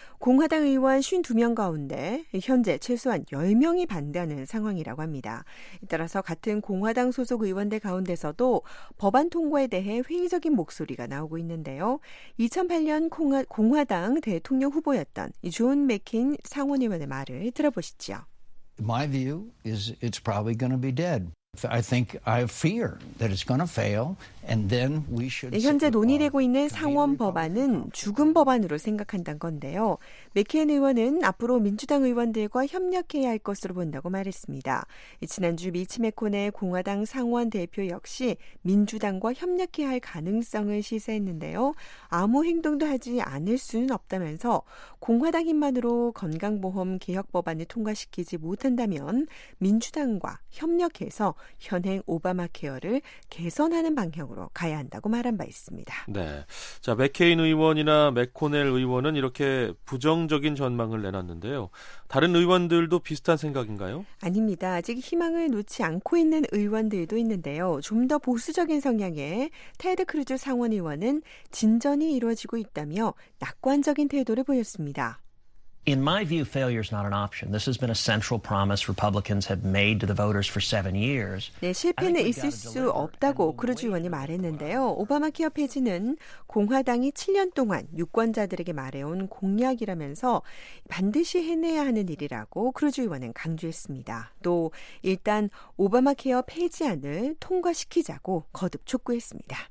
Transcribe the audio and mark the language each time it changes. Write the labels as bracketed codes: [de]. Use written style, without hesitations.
[ko] 공화당 의원 52명 가운데 현재 최소한 10명이 반대하는 상황이라고 합니다. 따라서 같은 공화당 소속 의원들 가운데서도 법안 통과에 대해 회의적인 목소리가 나오고 있는데요. 2008년 공화당 대통령 후보였던 존 맥케인 상원의원의 말을 들어보시죠. [en] My view is it's probably going to be dead. I think I fear that it's going to fail, and then we should. [ko] 현재 논의되고 있는 상원 법안은 죽은 법안으로 생각한다는 건데요. 맥케인 의원은 앞으로 민주당 의원들과 협력해야 할 것으로 본다고 말했습니다. 지난주 미치 맥코넬 공화당 상원 대표 역시 민주당과 협력해야 할 가능성을 시사했는데요. 아무 행동도 하지 않을 수는 없다면서 공화당 힘만으로 건강보험 개혁 법안을 통과시키지 못한다면 민주당과 협력해서 현행 오바마 케어를 개선하는 방향으로 가야 한다고 말한 바 있습니다. 네. 자, 맥케인 의원이나 맥코넬 의원은 이렇게 부정적인 전망을 내놨는데요. 다른 의원들도 비슷한 생각인가요? 아닙니다. 아직 희망을 놓지 않고 있는 의원들도 있는데요. 좀 더 보수적인 성향의 테드 크루즈 상원 의원은 진전이 이루어지고 있다며 낙관적인 태도를 보였습니다. [en] In my view, failure is not an option. This has been a central promise Republicans have made to the voters for 7 years. [ko] 네, 실패는 있을 수 없다고 크루즈 의원이 말했는데요. 오바마 케어 폐지는 공화당이 7년 동안 유권자들에게 말해온 공약이라면서 반드시 해내야 하는 일이라고 크루즈 의원은 강조했습니다. 또 일단 오바마 케어 폐지안을 통과시키자고 거듭 촉구했습니다.